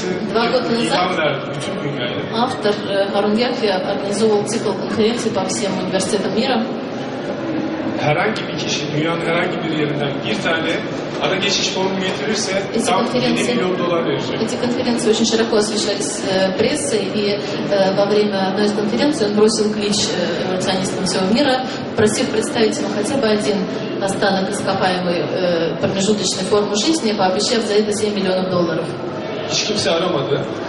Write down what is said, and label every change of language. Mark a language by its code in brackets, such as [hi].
[ru] Два года назад автор Харун Яхья организовал цикл конференций по всем университетам мира. [tr] Herhangi bir kişi dünyanın herhangi bir yerinden bir tane ara geçiş formu getirirse tam 7 milyon dolar verecek. [ru] Эти конференции очень широко освещались прессой, и во время одной из конференций он бросил клич эволюционистам всего мира, просив представить ему хотя бы один останок ископаемой промежуточной формы жизни, пообещав за это 7 миллионов долларов. [tr] Hiç kimse aramadı.